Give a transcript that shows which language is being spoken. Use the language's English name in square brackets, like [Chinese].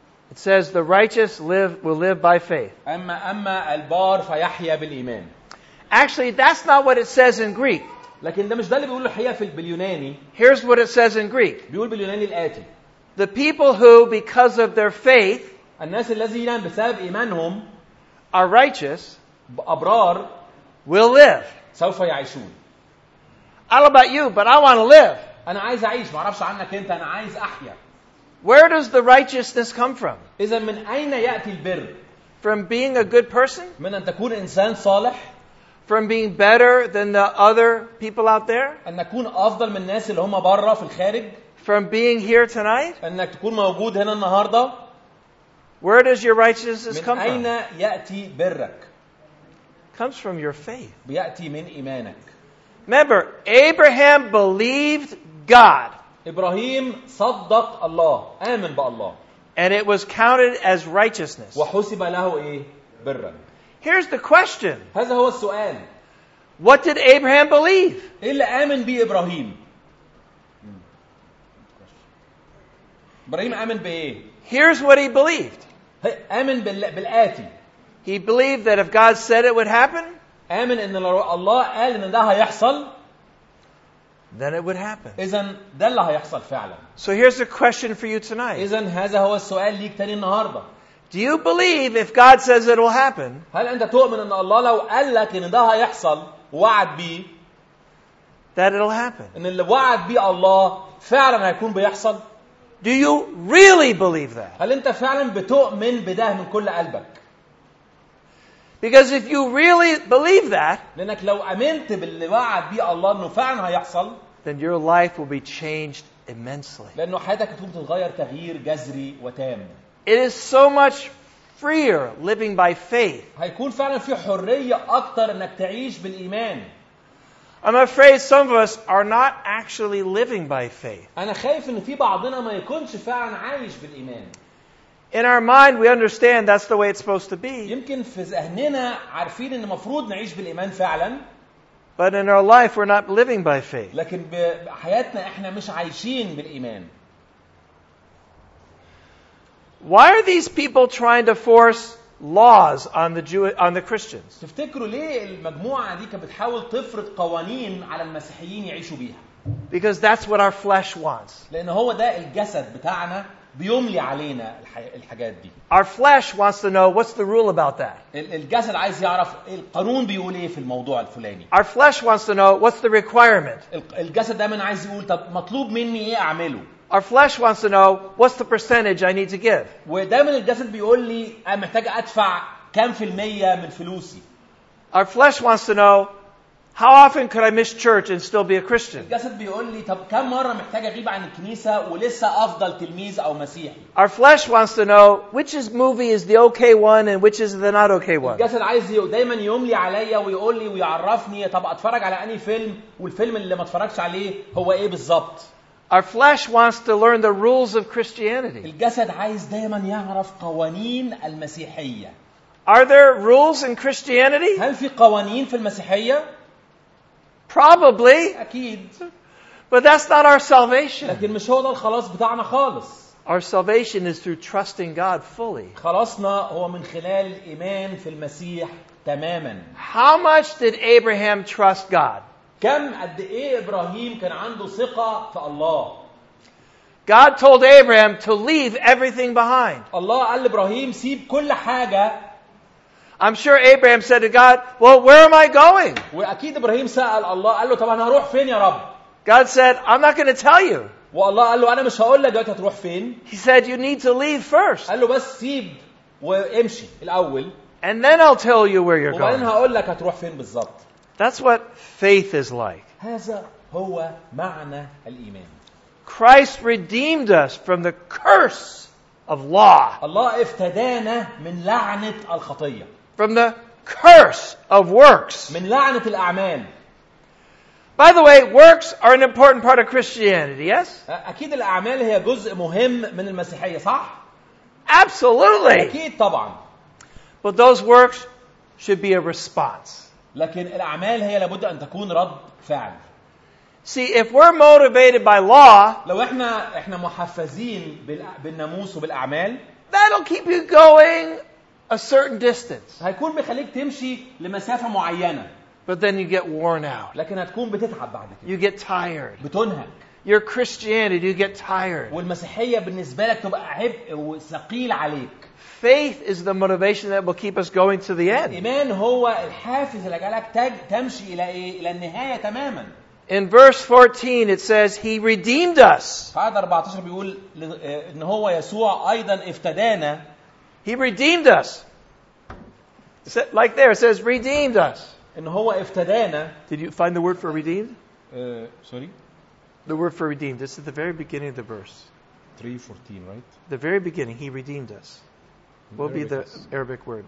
[English] It says the righteous will live by faith. [Arabic] أما البار فيحيا بالإيمان. [English] Actually, that's not what it says in Greek. [Arabic] لكن ده مش ده اللي بيقوله الحياة في باليوناني. [English] Here's what it says in Greek. [Arabic] بيقول باليوناني الآتي. [English] The people who, because of their faith, [Arabic] الناس الذين بسبب إيمانهم [English] are righteous, [Arabic] أبرار, [English] will live. [Arabic] سوف يعيشون. [English] I don't know about you, but I want to live. [Arabic] أنا عايز أعيش. ما أعرفش عنك أنت. أنا عايز أحيا. [English] Where does the righteousness come from? [Arabic] إذا من أين يأتي البر؟ [English] From being a good person. [Arabic] من أن تكون إنسان صالح. [English] From being better than the other people out there. [Arabic] أن نكون أفضل من الناس اللي هم برا في الخارج. [English] From being here tonight. [Arabic] أنك تكون موجود هنا النهاردة. [English] Where does your righteousness come from? [Arabic] من أين يأتي برك؟ [English] Comes from your faith. [Arabic] بيأتي من إيمانك. [English] Remember, Abraham believed God. [Arabic] إبراهيم صدق الله. آمن بالله. [English] And it was counted as righteousness. [Arabic] وحسب له إيه؟ برا. [English] Here's the question. [Arabic] هذا هو السؤال. [English] What did Abraham believe? [Arabic] إيه اللي آمن بيه إبراهيم؟ إبراهيم آمن بإيه؟ [English] Here's what he believed. [Arabic] آمن بالآتي. [English] He believed that if God said it would happen, [Arabic] آمن إن الله قال إن ده هيحصل. [English] Then it would happen. [Arabic] إذن ده اللي هيحصل فعلا. [English] So here's a question for you tonight. [Arabic] إذن هذا هو السؤال ليك تاني النهاردة. [English] Do you believe if God says it will happen? [Arabic] هل أنت تؤمن إن الله لو قال لك إن ده هيحصل وعد بيه؟ [English] That it'll happen. [Arabic] إن اللي وعد بيه الله فعلا هيكون بيحصل. [English] Do you really believe that? [Arabic] هل أنت فعلا بتؤمن بده من كل قلبك؟ [English] Because if you really believe that, [Arabic] لأنك لو آمنت باللي وعد بيه الله إنه فعلا هيحصل, [English] then your life will be changed immensely. [Arabic] لأنه حياتك هتكون بتتغير تغيير جذري وتام. [English] It is so much freer living by faith. [Arabic] هيكون فعلا في حرية أكتر إنك تعيش بالإيمان. [English] I'm afraid some of us are not actually living by faith. [Arabic] أنا خايف إن في بعضنا ما يكونش فعلا عايش بالإيمان. [English] In our mind, we understand that's the way it's supposed to be. [Arabic] يمكن في ذهننا عارفين إن مفروض نعيش بالإيمان فعلاً. [English] But in our life, we're not living by faith. [Arabic] لكن بحياتنا إحنا مش عايشين بالإيمان. [English] Why are these people trying to force laws on the Christians? [Arabic] تفتكروا ليه المجموعة دي كانت بتحاول تفرض قوانين على المسيحيين يعيشوا بيها؟ [English] Because that's what our flesh wants. [Arabic] لأن هو ده الجسد بتاعنا. بيملي علينا الحاجات دي. [English] Our flesh wants to know what's the rule about that. [Arabic] الجسد عايز يعرف القانون بيقول ايه في الموضوع الفلاني. [English] Our flesh wants to know what's the requirement. [Arabic] الجسد دايما عايز يقول طب مطلوب مني ايه اعمله. [English] Our flesh wants to know what's the percentage I need to give. [Arabic] ودايما الجسد بيقول لي انا محتاج ادفع كام في المية من فلوسي. [English] Our flesh wants to know how often could I miss church and still be a Christian? [Arabic] الجسد بيقول لي طب كم مرة محتاج أغيب عن الكنيسة ولسه أفضل تلميذ أو مسيحي. [English] Our flesh wants to know which is movie is the okay one and which is the not okay one. [Arabic] الجسد عايز دايما يملي عليا ويقول لي ويعرفني طب أتفرج على أي فيلم والفيلم اللي ما اتفرجش عليه هو إيه بالظبط. [English] Our flesh wants to learn the rules of Christianity. [Arabic] الجسد عايز دايما يعرف قوانين المسيحية. [English] Are there rules in Christianity? [Arabic] هل في قوانين في المسيحية؟ [English] Probably. [Arabic] أكيد. [English] But that's not our salvation. [Arabic] لكن مش هو ده الخلاص بتاعنا خالص. [English] Our salvation is through trusting God fully. [Arabic] خلاصنا هو من خلال الإيمان في المسيح تماما. [English] How much did Abraham trust God? [Arabic] كم قد ايه ابراهيم كان عنده ثقه في الله. [English] God told Abraham to leave everything behind. [Arabic] الله قال لابراهيم سيب كل حاجه. [English] I'm sure Abraham said to God, "Well, where am I going?" [Arabic] واكيد ابراهيم سال الله قال له طب انا هروح فين يا رب. [English] God said, "I'm not going to tell you." [Arabic] والله قال له انا مش هقول لك دلوقتي هتروح فين. [English] He said, "You need to leave first." [Arabic] قال له بس سيب وامشي الاول. [English] And then I'll tell you where you're going. [Arabic] هقول لك هتروح فين بالظبط. [English] That's what faith is like. [Arabic] هذا هو معنى الإيمان. [English] Christ redeemed us from the curse of law. [Arabic] الله افتدانا من لعنة الخطية. [English] From the curse of works. [Arabic] من لعنة الأعمال. [English] By the way, works are an important part of Christianity, yes? [Arabic] أكيد الأعمال هي جزء مهم من المسيحية, صح؟ [English] Absolutely. [Arabic] أكيد طبعا. [English] But those works should be a response. [Arabic] لكن الأعمال هي لابد أن تكون رد فعل. [English] See, if we're motivated by law, [Arabic] لو إحنا محفزين بالناموس وبالأعمال, [English] that'll keep you going a certain distance. [Arabic] هيكون بيخليك تمشي لمسافة معينة. [English] But then you get worn out. [Arabic] لكن هتكون بتتعب بعد كده. [English] You get tired. [Arabic] بتنهك. [English] Your Christianity, you get tired. [Arabic] والمسيحية بالنسبة لك تبقى عبء وثقيل عليك. [English] Faith is the motivation that will keep us going to the end. [Arabic] الإيمان هو الحافز اللي جعلك تمشي إلى إيه؟ إلى النهاية تماما. [English] In verse 14 it says he redeemed us. [Arabic] في عدد 14 بيقول إن هو يسوع أيضا افتدانا. [English] He redeemed us. Like there it says redeemed us. [Arabic] إن هو افتدانا. [English] Did you find the word for redeemed? Sorry. The word for redeemed. This is the very beginning of the verse. 3:14, right? The very beginning. He redeemed us. What will be the Arabic word?